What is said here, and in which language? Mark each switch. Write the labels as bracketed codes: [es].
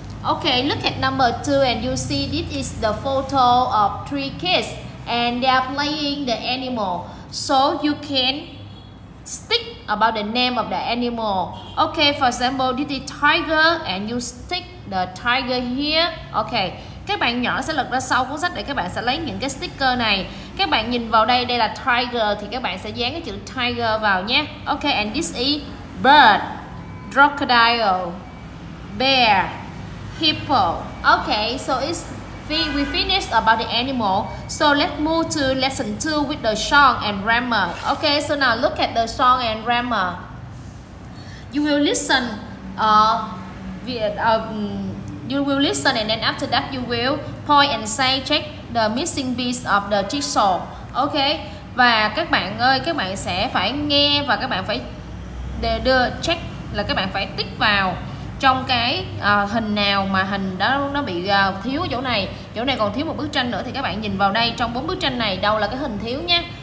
[en] Okay, look at number two and you see this is the photo of three kids and they are playing the animal. So you can stick about the name of the animal. Okay, for example, this is tiger and you stick the tiger here. [vi] Okay, các bạn nhỏ sẽ lật ra sau cuốn sách để các bạn sẽ lấy những cái sticker này. Các bạn nhìn vào đây, đây là tiger thì các bạn sẽ dán cái chữ tiger vào nhé. [en] Okay, and this is bird, crocodile, bear, hippo. Okay, so we finished about the animal. So let's move to lesson 2 with the song and grammar. Okay, so now look at the song and grammar. You will listen and then after that you will point and say check the missing piece of the jigsaw. Okay? [vi] Và các bạn ơi, các bạn sẽ phải nghe và các bạn phải đưa check là các bạn phải tích vào trong cái hình nào mà hình đó nó bị thiếu chỗ này. Chỗ này còn thiếu một bức tranh nữa thì các bạn nhìn vào đây trong bốn bức tranh này đâu là cái hình thiếu nhé.